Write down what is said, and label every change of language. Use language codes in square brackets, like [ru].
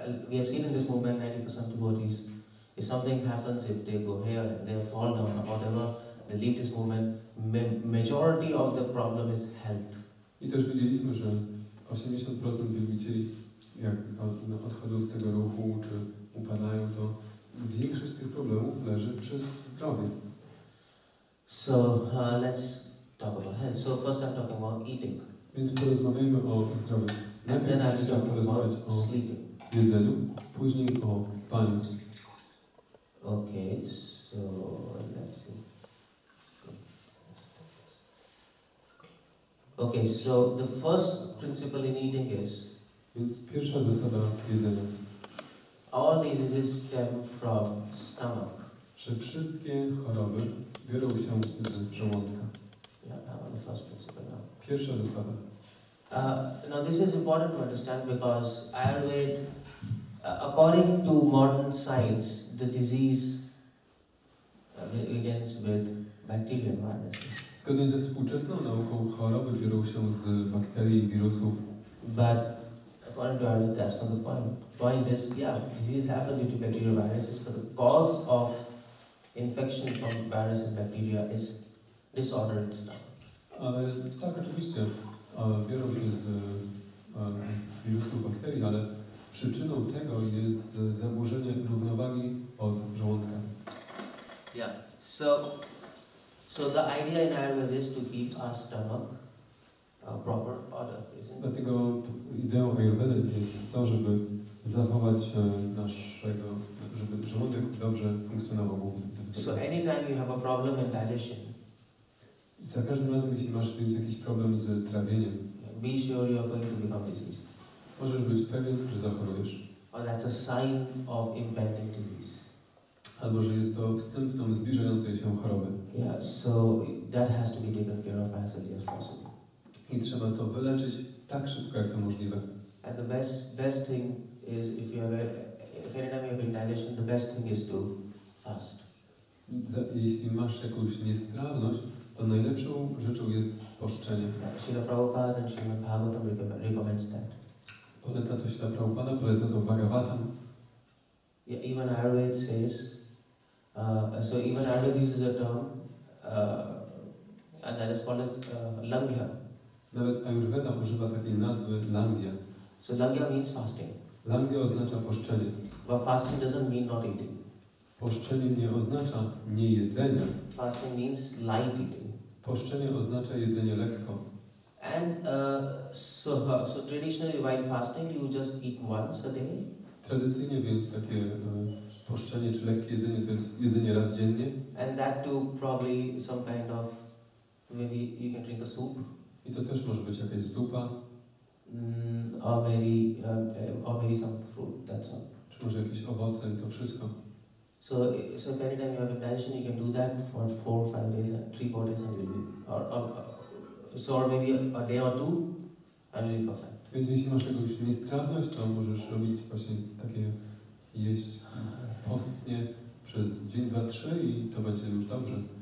[en] We have seen in this movement 90% devotees, if something happens, if they go here, they fall down or whatever, they leave this movement, majority of the problem is health. [pl] I też widzieliśmy, że 80% wielbicieli, jak odchodzą z tego ruchu, czy upadają, to większość tych problemów leży przez zdrowie. [en] So, let's talk about health. So, first I'm talking about eating. [pl] Więc porozmawiajmy o zdrowiu. Najpierw chciałem porozmawiać o jedzeniu, później o spaniu. [en] Okay, so, let's see. Okay, so the first principle in eating is. [pl] Więc pierwsza zasada jedzenia. [en] All diseases stem from stomach. [pl] Że wszystkie choroby biorą się z żołądka. [en] Yeah, the first principle. Now. [pl] Pierwsza zasada. [en] Now this is important to understand because Ayurveda, according to modern science, the disease begins with bacterial viruses. [pl] Zgodnie ze współczesną nauką, choroby biorą się z bakterii i wirusów. [en] But according to Ayurveda, that's not the point. Point is, yeah, disease happens due to bacterial viruses, but the cause of infection from virus and bacteria is disordered stomach. [pl] Ale tak, oczywiście, biorą się z wirusów, bakterii, ale przyczyną tego jest zaburzenie równowagi od żołądka. [en] Yeah, so. So the idea in Ayurveda is to keep our stomach proper order, isn't it? [pl] Dlatego ideą Ayurvedy jest to, żeby zachować naszego, żeby żołądek dobrze funkcjonował. [en] So anytime you have a problem in digestion, [pl] za każdym razem, jeśli masz więc jakiś problem z trawieniem, [en] be sure you are going to become diseased. [pl] Możesz być pewien, że zachorujesz. [en] Or that's a sign of impending disease. [pl] Albo że jest to symptom zbliżającej się choroby. [en] Yeah, so that has to be taken care of as early as possible. [pl] I trzeba to wyleczyć tak szybko jak to możliwe. [en] And the best thing is if anytime you have indigestion, the best thing is to fast. [pl] Jeśli masz jakąś niestrawność, to najlepszą rzeczą jest poszczenie. [en] Śrīla Prabhupāda and Śrīmad Bhāgavatam recommends that. [pl] Poleca to Śrīla Prabhupāda, poleca to Bhagavatam. [en] Yeah, even Ayurveda says. So even Ayurveda uses a term, and that is called as langya. [pl] Nawet Ayurveda używa takiej nazwy langya. [en] So langya means fasting. [pl] Langya oznacza poszczenie. [en] But fasting doesn't mean not eating. [pl] Poszczenie nie oznacza nie jedzenia. [en] Fasting means light eating. [pl] Poszczenie oznacza jedzenie lekko. [en] And so traditionally while fasting you just eat once a day. [pl] Tradycyjnie więc takie poszczenie czy lekkie jedzenie to jest jedzenie raz dziennie. [en] And that too probably some kind of maybe you can drink a soup. [pl] I to też może być jakaś zupa. [en] Or maybe some fruit, that's all. [pl] Czy może jakieś owoce i to wszystko. [en] So every time you have indigestion you can do that for 4 or 5 days, 3 or 4 days and you'll be or maybe a day or two and you'll be perfect. [pl] Więc jeśli masz jakąś niestrawność, to możesz robić właśnie takie jeść postnie przez dzień, dwa, trzy i to będzie już dobrze.